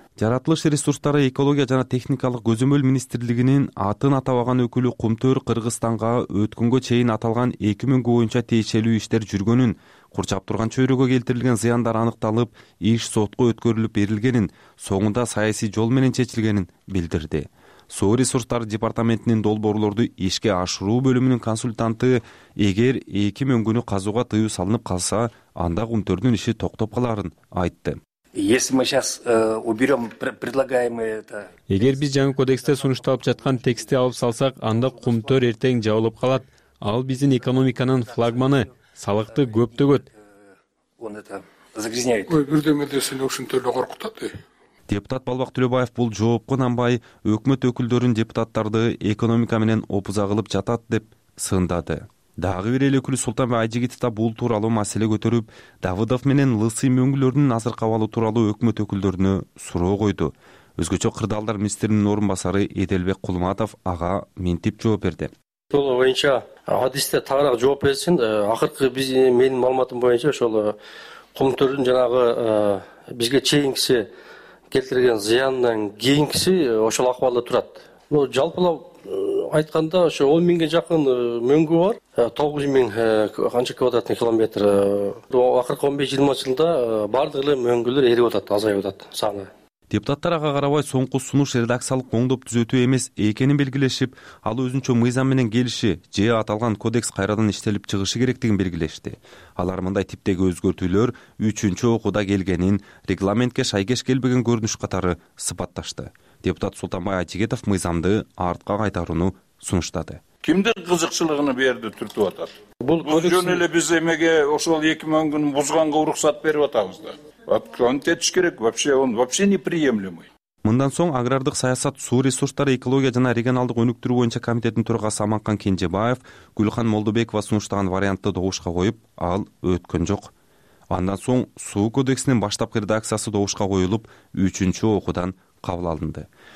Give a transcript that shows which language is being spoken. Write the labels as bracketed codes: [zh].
[ky] Жаратылыш ресурстары, экология жана техникалык көзөмөл министрлигинин атын атабаган өкүлү кумтөр Кыргызстанга өткөнгө чейин аталган эки мөңгү боюнча тиешелүү иштер жүргөнүн, курчап турган чөйрөгө келтирилген зыяндар аныкталып, иш сотко өткөрүлүп берилгенин, соңунда саясий жол менен чечилгенин билдирди. Суу ресурстары департаментинин долбоорлорду ишке ашыруу бөлүмүнүн консультанты, эгер эки мөңгүнү казууга тыюу салынып калса, анда кумтөрдүн иши токтоп каларын айтты. [ru] Если мы сейчас уберем предлагаемые это. [ky] Эгер биз жаңы кодексте сунушталып жаткан текстти алып салсак, анда кумтөр эртең жабылып калат. Ал биздин экономиканын флагманы, салыкты көп төгөт. [ru] Он это загрязняет. [ky] Ой, бирдеме десе эле ошентөрлө коркутат. Депутат Балбак Түлөбаев бул жоопко нанбай, өкмөт өкүлдөрүн депутаттарды экономика менен опуза кылып жатат деп сындады. Дагы бир эл өкүлү Султан Айжигитов да бул тууралуу маселе көтөрүп, Давыдов менен Лысый мөңгүлөрүнүн азыркы абалы тууралуу өкмөт өкүлдөрүнө суроо койду. Өзгөчө кырдаалдар министринин орун басары Эделбек Кулматов ага минтип жооп берди. Ошол боюнча адисте тагыраак жооп берсин. Акыркы биз менин маалыматым боюнча ошол кумтөрдүн жанагы бизге чейинкиси келтирген зыяндан кийинкиси ошол акыбалда турат. Ну жалпылап айтканда ошо 10 000 жакын мөңгү бар. 9 000 канча квадратный километр. Акыркы 15-20 жылда баардык эле мөңгүлөр эрип атат, азайып атат саны. Депутаттар ага карабай соңку сунуш редакциялык оңдоп түзөтүү эмес экенин белгилешип, ал өзүнчө мыйзам менен келиши же аталган кодекс кайрадан иштелип чыгышы керектигин белгилешти. Алар мындай типтеги өзгөртүүлөр үчүнчү окууда келгенин, регламентке шайкеш келбеген көрүнүш катары сыпатташты. Депутат Султанбай Айтегетов мыйзамды артка кайтарууну сунуштады. Кимдин кызыкчылыгыны берди түртүп атат? Бул жөн эле биз эмеге ошол эки мөңгүнү бузганга уруксат берип атабыз да. Антетиш керек, [ru] вообще он вообще неприемлемый. [ky] Мындан соң агрардык саясат, суу ресурстары, экология жана регионалдык өнүктүрүү боюнча комитеттин төрагасы Аманкан Кенжебаев Гүлкан Молдобекова сунуштаган вариантты добушка коюп, ал өткөн жок. Андан соң суу кодексинин баштапкы редакциясы добушка коюлуп, үчүнчү окуудан кабыл алынды.